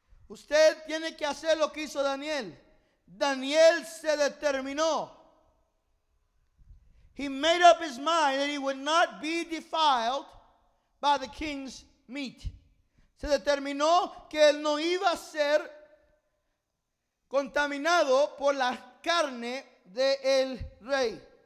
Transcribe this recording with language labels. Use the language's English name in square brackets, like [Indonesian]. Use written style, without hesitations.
[Spanish] Usted tiene que hacer lo que hizo Daniel. Daniel se determinó. [English] He made up his mind that he would not be defiled by the king's meat. [Spanish] Se determinó que él no iba a ser contaminado por la carne del rey.